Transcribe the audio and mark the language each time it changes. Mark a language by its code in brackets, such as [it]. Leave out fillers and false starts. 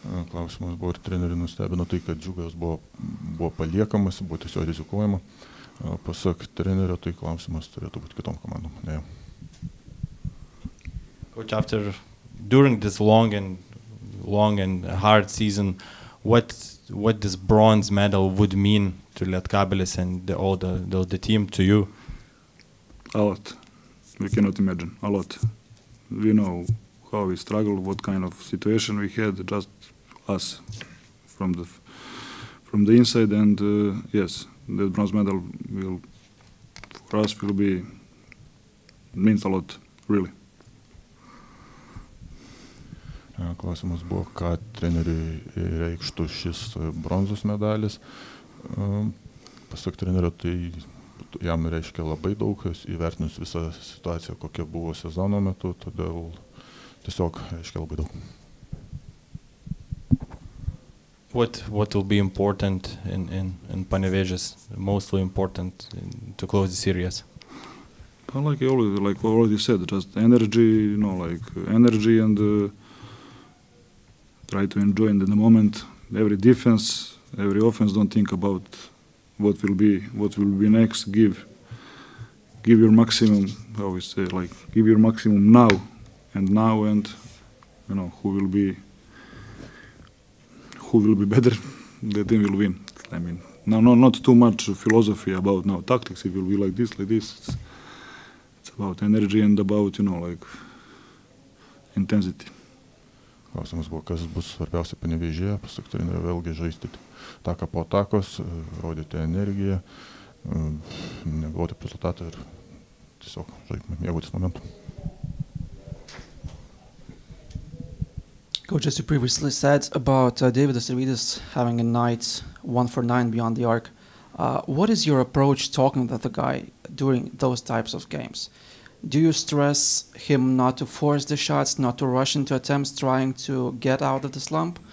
[lt] Klausimas buvo, ar treneriai nustebino tai, kad Džiugas buvo paliekamas, buvo tiesiog rizikuojama. Pasak trenerio, tai klausimas turėtų būti kitom komandom. Ne. [en] Coach, after during this long and hard season, what this bronze medal would mean to Lietkabelis and the team to you? A lot. We cannot imagine. A lot. We know how we struggled, what kind of situation we had, just us from the inside, and yes, the bronze medal will for us will be means a lot, really. [lt] Klausimas buvo, ką treneriui reikštų šis bronzos medalis. Pasak trenerio, tai jam reiškia labai daug, įvertinus visą situaciją, kokia buvo sezono metu, todėl tiesiog reiškia labai daug. [en] What will be important in Panevėžys, mostly important to close the series? Well, like I already said, just energy, you know, like energy and try to enjoy in the moment. Every defense, every offense, don't think about what will be next. Give your maximum. I always say, like, give your maximum now, and you know who will be better, the team will win. I mean, no, not too much philosophy about now tactics. It will be like this. It's about energy and about, you know, like intensity. [lt] Klausimas buvo, kas bus svarbiausia Panevėžyje, pasak trenerio, vėlgi žaisti taką po atakos, rodyti energiją, negauti rezultatą ir tiesiog mėgautis momentu. [en] Coach, as you previously said about David Sirvidis having a night 1-for-9 beyond the arc, what is your approach talking to the guy during those types of games? Do you stress him not to force the shots, not to rush into attempts, trying to get out of the slump?